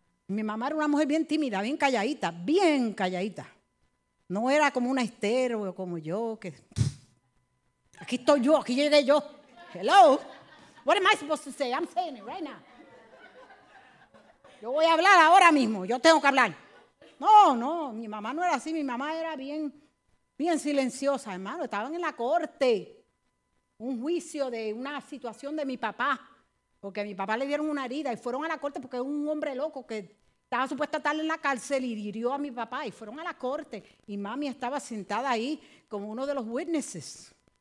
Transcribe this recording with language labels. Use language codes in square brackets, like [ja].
[es] Mi mamá era una mujer bien tímida, bien calladita, bien calladita. No era como una Esther o como yo, que aquí estoy yo, aquí llegué yo. [en] Hello, what am I supposed to say? I'm saying it right now. [es] Yo voy a hablar ahora mismo, yo tengo que hablar. No, no, mi mamá no era así, mi mamá era bien, bien silenciosa, hermano. Estaban en la corte, un juicio de una situación de mi papá. Porque a mi papá le dieron una herida y fueron a la corte porque un hombre loco que estaba supuesto a estar en la cárcel y hirió a mi papá y fueron a la corte y mami estaba sentada ahí como uno de los [en] witnesses.